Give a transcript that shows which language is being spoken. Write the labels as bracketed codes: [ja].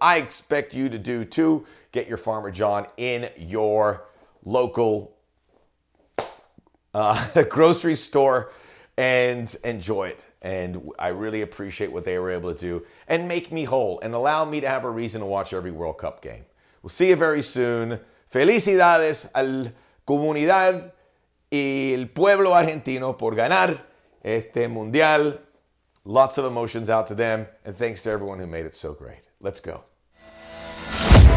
[en] I expect you to do too. Get your Farmer John in your local grocery store and enjoy it. And I really appreciate what they were able to do and make me whole and allow me to have a reason to watch every World Cup game. We'll see you very soon. [es] Felicidades al comunidad y el pueblo argentino por ganar este mundial. [en] Lots of emotions out to them. And thanks to everyone who made it so great. Let's go.